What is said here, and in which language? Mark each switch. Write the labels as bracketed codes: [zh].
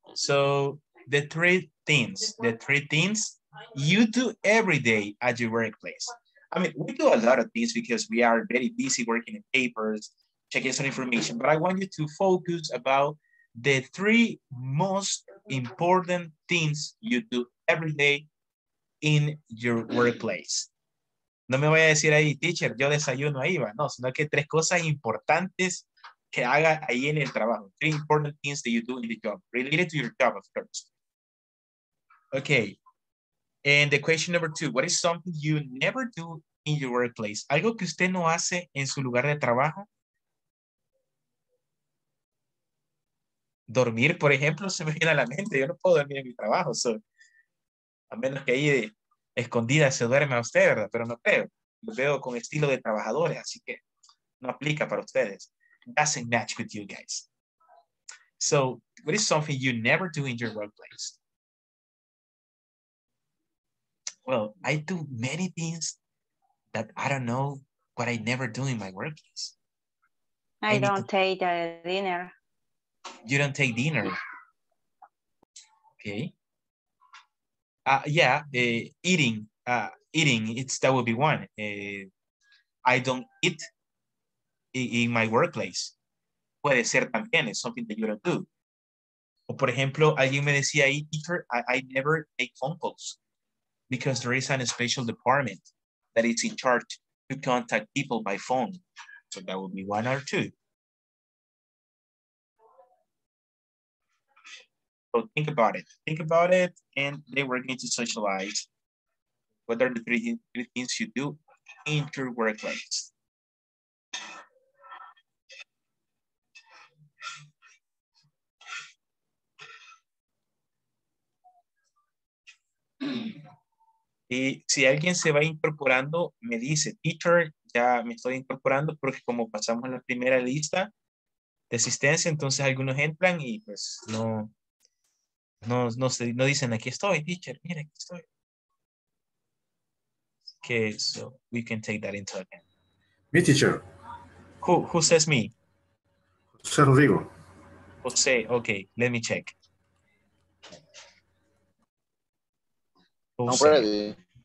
[en] So the three things you do every day at your workplace. I mean, we do a lot of things because we are very busy working in papers, checking some information, but I want you to focus about the three most important things you do every day in your workplace. [es] No me voy a decir ahí, teacher, yo desayuno ahí, va. No, sino que tres cosas importantes que haga ahí en el trabajo. [en] Three important things that you do in the job, related to your job, of course. Okay. And the question number two, what is something you never do in your workplace? [es] Algo que usted no hace en su lugar de trabajo. Dormir, por ejemplo, se me viene a la mente. Yo no puedo dormir en mi trabajo, so. A menos que ahí de escondida se duerme a usted, ¿verdad? Pero no creo. Lo veo con estilo de trabajadores, así que no aplica para ustedes. [en] Doesn't match with you guys. So, what is something you never do in your workplace? Well, I do many things that I don't know what I never do in my workplace. I don't take dinner. You don't take dinner? Okay. Yeah, eating, it's that would be one. I don't eat in my workplace. [es] Puede ser también, [en] it's something that you don't do. [es] O por ejemplo, alguien me decía, [en] I never make phone calls. because there is a special department that is in charge to contact people by phone. So that would be one or two. So think about it. Think about it, and they were going to socialize. What are the three things you do in your workplace? [es] Y si alguien se va incorporando, me dice, teacher, ya me estoy incorporando, porque como pasamos la primera lista de asistencia, entonces algunos entran y pues no dicen, aquí estoy, teacher, mira, aquí estoy. [en] Okay, so we can take that into account. Me, teacher. Who says me? José Rodrigo. José, okay, let me check. Jose.